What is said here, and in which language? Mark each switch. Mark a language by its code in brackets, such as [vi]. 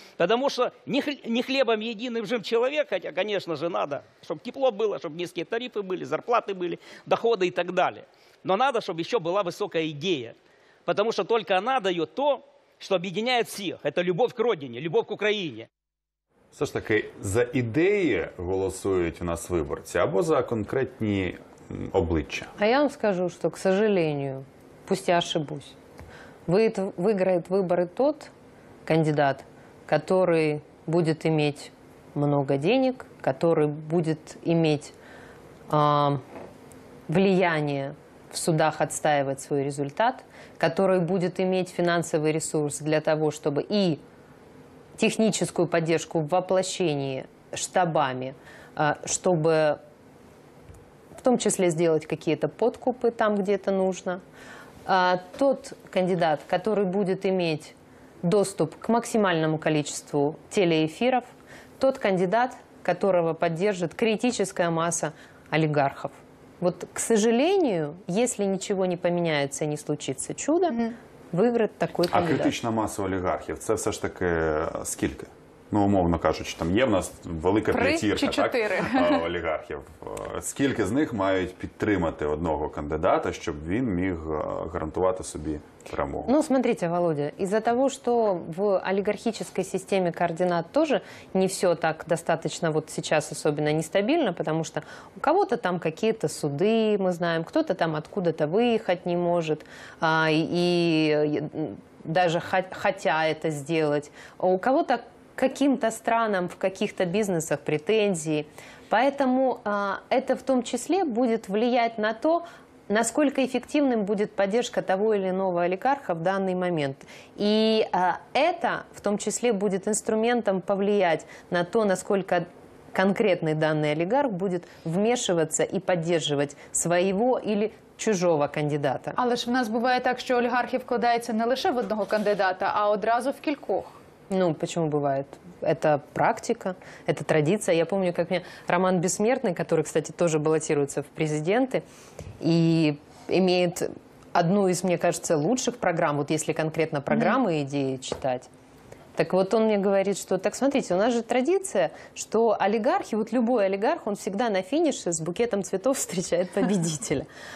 [uk] Тому що не хлібом єдиним жив чоловік, хоча, звісно, треба, щоб тепло було, щоб низькі тарифи були, зарплати були, доходи і так далі. Але треба, щоб ще була висока ідея, тому що тільки вона дає те, що об'єднає всіх. Це любов к родині, любов к Україні. Все ж таки, за ідеї голосують у нас виборці або за конкретні обличчя? А я вам скажу, що, [ru] к сожалению, пусть я ошибусь, [uk] виграє вибори [ru] тот кандидат, который будет иметь много денег, который будет иметь влияние в судах отстаивать свой результат, который будет иметь финансовый ресурс для того, чтобы и техническую поддержку в воплощении штабами, чтобы в том числе сделать какие-то подкупы там, где это нужно. Тот кандидат, который будет иметь доступ к максимальному количеству телеэфиров, тот кандидат, которого поддержит критическая масса олигархов. Вот, к сожалению, если ничего не поменяется, не случится чудо, [uk] виграє такий кандидат. А критична маса олігархів – це все ж таки скільки? Ну, умовно кажучи, там є в нас велика п'ятірка олігархів. Скільки з них мають підтримати одного кандидата, щоб він міг гарантувати собі перемогу? [ru] Ну, смотрите, [uk] Володя, із-за того, що в олігархічній системі координат теж не все так достатньо от зараз особливо нестабільно, тому що у кого-то там якісь суди, ми знаємо, хто-то там откуда-то виїхати не може, і даже хоча це зробити. [ru] У кого-то каким-то странам в каких-то бизнесах претензии. Поэтому это в том числе будет влиять на то, насколько эффективным будет поддержка того или иного олигарха в данный момент. И это в том числе будет инструментом повлиять на то, насколько конкретный данный олигарх будет вмешиваться и поддерживать своего или чужого кандидата. [uk] Але ж в нас буває так, що олігархи вкладаються не лише в одного кандидата, а одразу в кількох. [ru] Ну, почему бывает? Это практика, это традиция. Я помню, как мне Роман Бессмертный, который, кстати, тоже баллотируется в президенты и имеет одну из, мне кажется, лучших программ, вот если конкретно программы и идеи читать. Так вот он мне говорит, что так смотрите, у нас же традиция, что олигархи, вот любой олигарх, он всегда на финише с букетом цветов встречает победителя.